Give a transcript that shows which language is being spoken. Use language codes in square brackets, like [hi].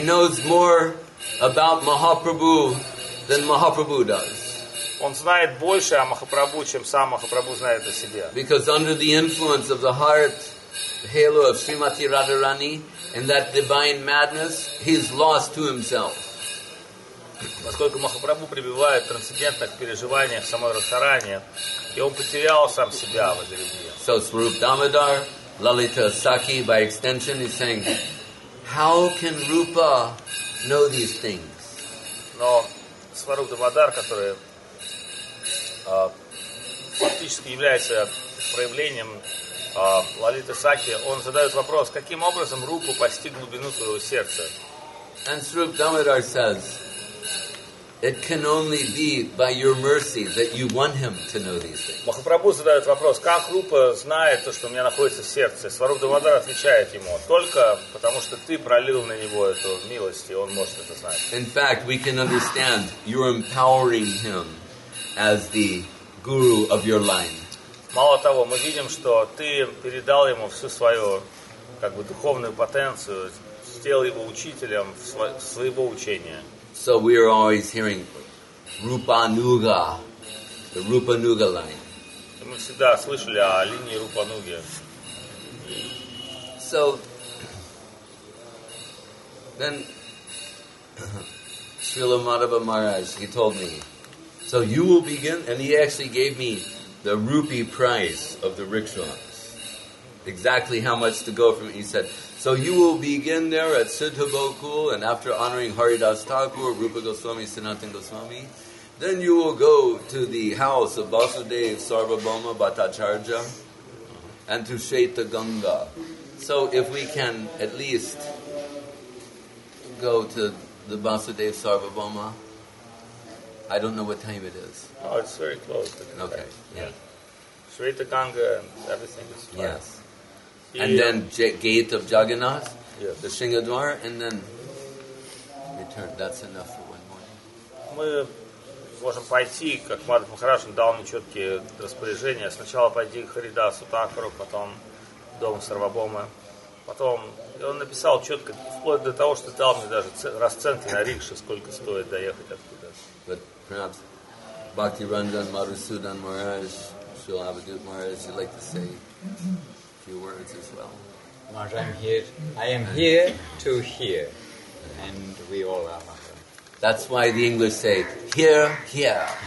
[en] He knows more about Mahaprabhu than Mahaprabhu does. [ru] Он знает больше о Махапрабху, чем сам Махапрабху знает о себе. [en] Because under the influence of the heart, the halo of Srimati Radharani, in that divine madness, he's lost to himself. [ru] Поскольку Махапрабху пребывает в трансцендентных переживаниях самой Радхарани, и он потерял сам себя в этой любви. [en] So Swarup Damodar, Lalita Sakhi, by extension, is saying, how can Rupa know these things? [ru] Но Swarup Damodar, который фактически является проявлением Лалиты Сакхи, он задает вопрос, каким образом Рупу постиг глубину твоего сердца? [en] And Srup Damodar says, it can only be by your mercy that you want him to know these things. [ru] Махапрабху задает вопрос, как Рупа знает то, что у меня находится в сердце? Сварупа Дамодара отвечает ему, только потому что ты пролил на него эту милость, и он может это знать. [en] In fact, we can understand you're empowering him as the guru of your line. [ru] Мало того, мы видим, что ты передал ему всю свою как бы духовную потенцию, сделал его учителем своего учения. [en] So we are always hearing Rupanuga, the Rupanuga line. [ru] Мы всегда слышали о линии Рупануги. [en] So then Srila Madhava Maharaj, he told me, so you will begin, and he actually gave me the rupee price of the rickshaws. Exactly how much to go from it. He said, so you will begin there at Siddha Bokul, and after honoring Haridas Thakur, Rupa Goswami, Sanatan Goswami, then you will go to the house of Vasudev Sarvabhauma Bhattacharya and to Shaita Ganga. So if we can at least go to the Vasudev Sarvabhauma, I don't know what time it is. Oh, it's very close. Okay, yeah. Shweta Ganga and everything is fine. Yes. And then Gate of Jagannath, yes. The Shingadwar, and then return. That's enough for one morning. [ru] Мы можем пойти, как Мадхав Махарадж дал мне четкие распоряжения. Сначала пойти к Харидасу Такару, потом в дом Сарвабхаумы. Потом, и он написал четко, вплоть до того, что дал мне даже расценки на рикши, сколько стоит доехать оттуда. [en] But perhaps Bhakti Ranjan Madhusudan Maharaj, Srila Abhidhut Maharaj, you'd like to say a few words as well. Maharaj, I am here to hear, and we all are. That's why the English say, here, here.